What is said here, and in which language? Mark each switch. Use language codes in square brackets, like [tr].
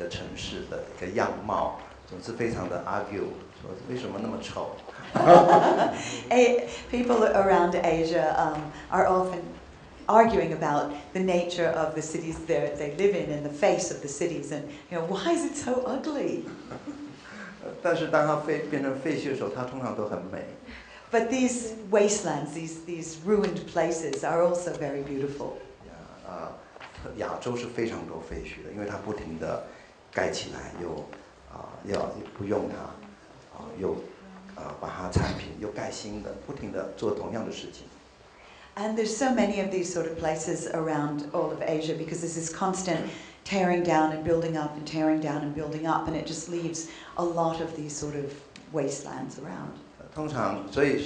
[zh] 我想住在亚洲的人特别有感觉，对自己的城市的一个样貌总是非常的 argue， 说为什么那么丑。 [en] People around Asia are often arguing about the nature of the cities they live in and the face of the cities, and you know, why is it so ugly? [zh] 但是当它变成废墟的时候，它通常都很美。 [en] But these wastelands, these ruined places, are also very beautiful. [zh] Yeah, 亚洲是非常多废墟的，因为它不停的盖起来，又不用它，又。把它铲平，又盖新的，不停的做同样的事情。 [en] And there's so many of these sort of places around all of Asia because there's this constant tearing down and building up and tearing down and building up, and it just leaves a lot of these sort of wastelands around.